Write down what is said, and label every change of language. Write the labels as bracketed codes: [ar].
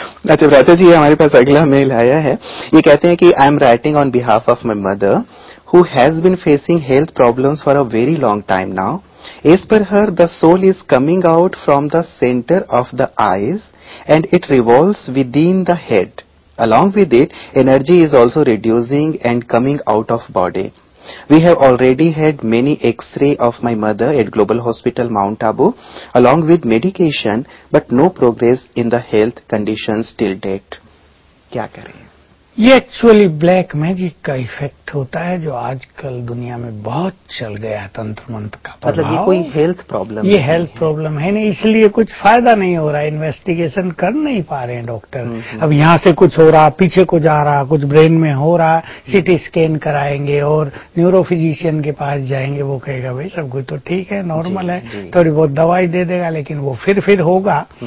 [hi] अच्छा भ्राता जी, हमारे पास अगला मेल आया है, ये कहते हैं कि [en] I am writing on behalf of my mother who has been facing health problems for a very long time now. As per her, the soul is coming out from the center of the eyes and it revolves within the head. Along with it, energy is also reducing and coming out of body. We have already had many x-ray of my mother at Global Hospital Mount Abu along with medication, but no progress in the health conditions till date. [hi] Kya kare? ये actually black magic का effect होता है जो आजकल दुनिया में बहुत चल गया है, तंत्र मंत्र का प्रभाव। मतलब ये कोई हेल्थ प्रॉब्लम, ये हेल्थ प्रॉब्लम है नहीं, इसलिए कुछ फायदा नहीं हो रहा, इन्वेस्टिगेशन कर नहीं पा रहे हैं डॉक्टर। अब यहां से कुछ हो रहा, पीछे को जा रहा, कुछ ब्रेन में हो रहा, सीटी स्कैन कराएंगे और न्यूरोफिजिशियन के पास जाएंगे, वो कहेगा भाई सब कुछ तो ठीक है, नॉर्मल है, थोड़ी बहुत दवाई दे देगा, लेकिन वो फिर होगा।